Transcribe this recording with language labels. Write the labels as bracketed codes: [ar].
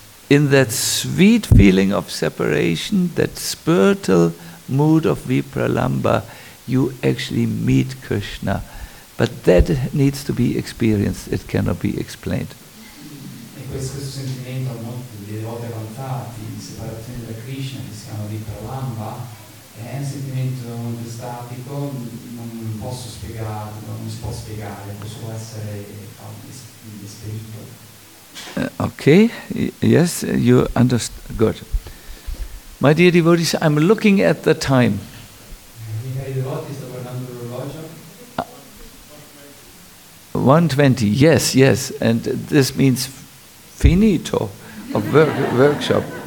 [en] In that sweet feeling of separation, that spiritual mood of Vipralamba, you actually meet Krishna. But that needs to be experienced, it cannot be explained. [it] E questo sentimento di volte avanzati, di separazione da Krishna, che si chiama Vipralamba, è un sentimento molto statico, non posso spiegare, non si può spiegare, può solo essere descritto. [en] Okay, yes, you understand. Good. My dear devotees, I'm looking at the time. [it] I miei devoti, sto guardando l'orologio. [en] 1:20, yes, yes, and this means finito of workshop.